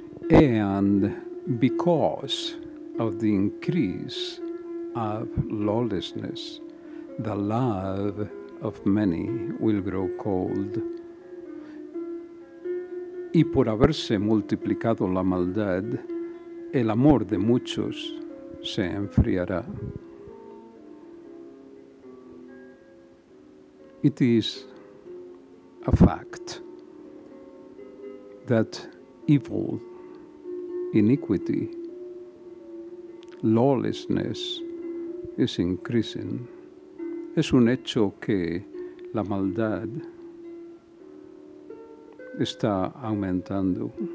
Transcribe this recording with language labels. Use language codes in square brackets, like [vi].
[en] And because of the increase of lawlessness, the love of many will grow cold. [es] Y por haberse multiplicado la maldad, el amor de muchos se enfriará. [en] It is a fact that evil, iniquity, lawlessness is increasing. [es] Es un hecho que la maldad está aumentando.